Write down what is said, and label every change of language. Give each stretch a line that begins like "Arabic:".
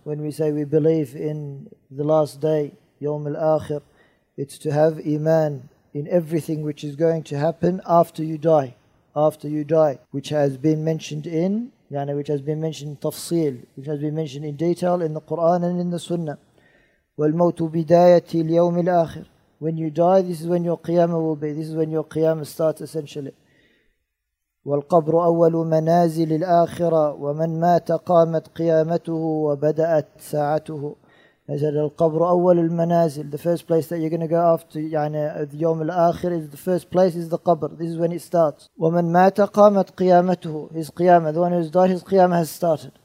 English: When we say we believe in the last day, Yawm al-Akhir, it's to have Iman in everything which is going to happen after you die, which has been mentioned in, which has been mentioned in tafsil, which has been mentioned in detail in the Quran and in the Sunnah.
Arabic: والموت بداية اليوم الآخر.
English: When you die, this is when your qiyamah will be. This is when your qiyamah starts essentially.
Arabic: والقبر أول منازل الآخرة ومن مات قامت قيامته وبدأت ساعته.
English: I said,
Arabic: القبر أول المنازل.
English: The first place that you're going to go after, the
Arabic: يوم الآخر,
English: is the first place is the قبر. This is when it starts.
Arabic: ومن مات قامت قيامته.
English: His qiyamah, the one who's died, his qiyamah has started.